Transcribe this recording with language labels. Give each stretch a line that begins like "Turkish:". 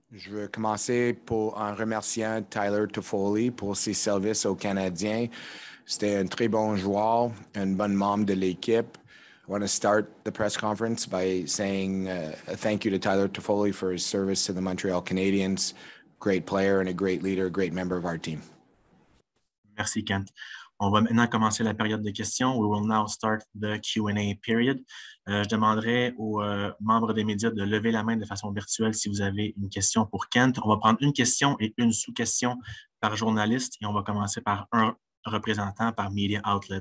French: Je veux commencer pour en remerciant Tyler Toffoli pour ses services aux Canadiens. C'était un très bon joueur, un bon membre de l'équipe.
English: I want to start the press conference by saying a thank you to Tyler Toffoli for his service to the Montreal Canadiens. Great player and a great leader, a great member of our team.
French: Merci, Kent. On va maintenant commencer la période de questions.
English: We will now start the Q&A period.
French: Je demanderai aux membres des médias de lever la main de façon virtuelle si vous avez une question pour Kent. On va prendre une question et une sous-question par journaliste et on va commencer par un représentant par media outlet.